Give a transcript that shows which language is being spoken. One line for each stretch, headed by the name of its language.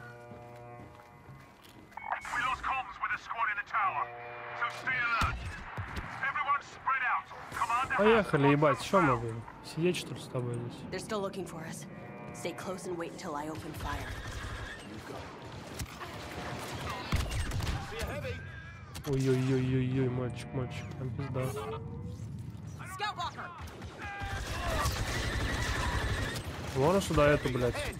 English: We lost comms with a squad in the tower, so stay alert. Everyone spread out. Commander,
Russian: поехали, ебать, что мы будем? Сидеть что ли с тобой здесь?
English: They're still looking for us. Stay close and wait until I open fire.
Russian: Ой-ой-ой-ой-ой, мальчик, мальчик, там пизда. Вон сюда эту, блядь.